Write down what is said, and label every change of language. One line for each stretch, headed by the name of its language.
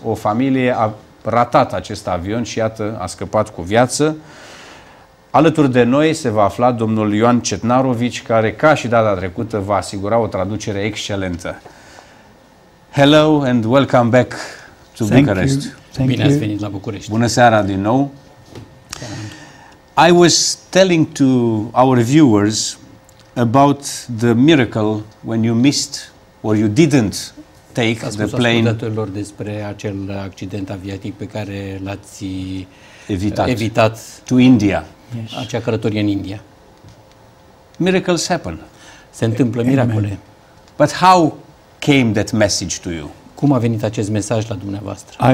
Romanian: O familie a ratat acest avion și iată, a scăpat cu viață. Alături de noi se va afla domnul Ioan Cetnarovici, care ca și data trecută va asigura o traducere excelentă.
English: Hello and welcome back to Thank Bucharest.
Romanian: Bine ați venit la București. Bună seara din nou.
English: I was telling to our viewers about the miracle when you missed or you didn't take the plane.
Romanian: Ascultătorilor despre acel accident aviatic pe care l-ați evitat
English: to India. Yes.
Romanian: Acea călătorie în India.
English: Miracles happen.
Romanian: Se întâmplă miracole.
English: But how came that message to you?
Romanian: Cum a venit acest mesaj la dumneavoastră?